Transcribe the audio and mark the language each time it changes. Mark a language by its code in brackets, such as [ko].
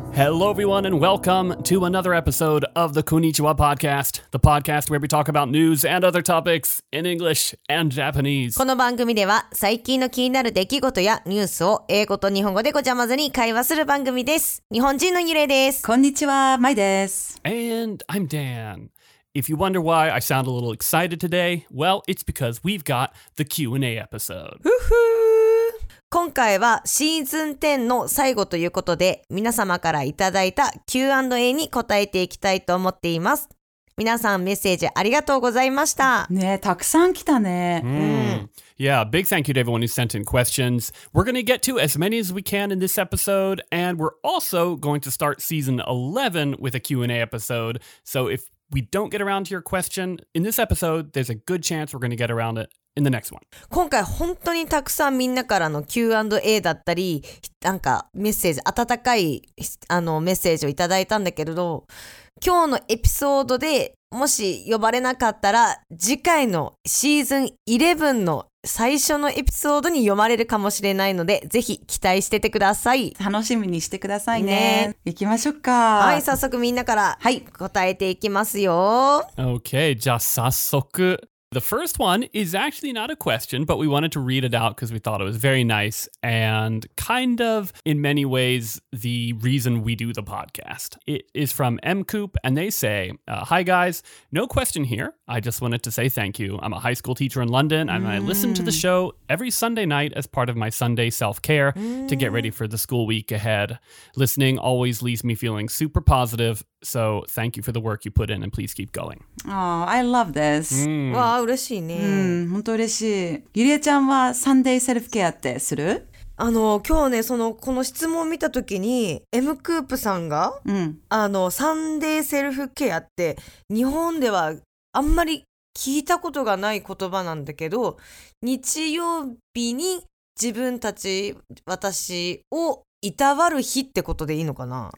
[en] Hello, everyone, and welcome to another episode of the Konnichiwa Podcast, the podcast where we talk about news and other topics in English and Japanese. [ja] この番組では最近の気になる出来事やニュースを英語と日本語でごちゃ混ぜに会話する番組です。日本人のゆれです。こんにちは、まいです。 [en] And I'm Dan. If you wonder why I sound a little excited today, well, it's because we've got the Q&A episode. Woohoo! [ja] 今回はシーズン10の最後ということで、皆様からいただいた Q&A に答えていきたいと思っています。皆さんメッセージありがとうございました。ね、たくさん来たね。 [en] Yeah, big thank you to everyone who sent in questions. We're going to get to as many as we can in this episode, and we're also going to start season 11 with a Q&A episode. So if... We don't get around to your question in this episode. There's a good chance we're going to get around it in the next one. [ja] 今回本当にたくさんみんなからの Q&A だったり、なんかメッセージ、温かいあのメッセージをいただいたんだけれど、今日のエピソードでもし呼ばれなかったら、次回のシーズン11の最初のエピソードに読まれるかもしれないので、ぜひ期待しててください。楽しみにしてくださいね。行きましょうか。はい、早速みんなから答えていきますよ。 Okay, じゃあ早速。 [en] The first one is actually not a question, but we wanted to read it out because we thought it was very nice and kind of, in many ways, the reason we do the podcast. It is from MCoop, and they say, hi guys, no question here. I just wanted to say thank you. I'm a high school teacher in London, and I listen to the show every Sunday night as part of my Sunday self-care to get ready for the school week ahead. Listening always leaves me feeling super positive. So, thank you for the work you put in and please keep going. Oh, I love this. [ja] わあ、嬉しいね。本当嬉しい。ゆりえちゃんはサンデーセルフケアってする? あの、今日ね、その、この質問を見た時に、M クープさんが、あの、サンデーセルフケアって日本ではあんまり聞いたことがない言葉なんだけど、日曜日に自分たち、私をいたわる日ってことでいいのかな。